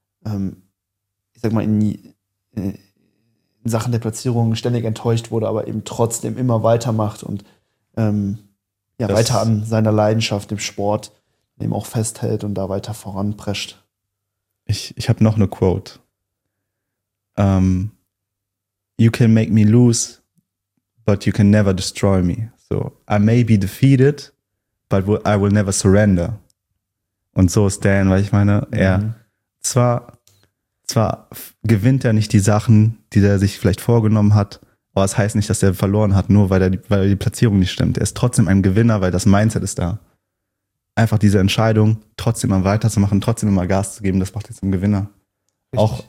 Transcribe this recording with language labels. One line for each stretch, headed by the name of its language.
German: Ich sag mal, in Sachen der Platzierung ständig enttäuscht wurde, aber eben trotzdem immer weitermacht und weiter an seiner Leidenschaft, dem Sport, eben auch festhält und da weiter voranprescht. Ich habe noch eine Quote.
English: You can make me lose, but you can never destroy me. So, I may be defeated, but I will never surrender.
German: Und so ist Dan, weil ich meine, zwar gewinnt er nicht die Sachen, die er sich vielleicht vorgenommen hat, aber es heißt nicht, dass er verloren hat, nur weil die Platzierung nicht stimmt. Er ist trotzdem ein Gewinner, weil das Mindset ist da. Einfach diese Entscheidung, trotzdem mal weiterzumachen, trotzdem immer Gas zu geben, das macht ihn zum Gewinner. Richtig.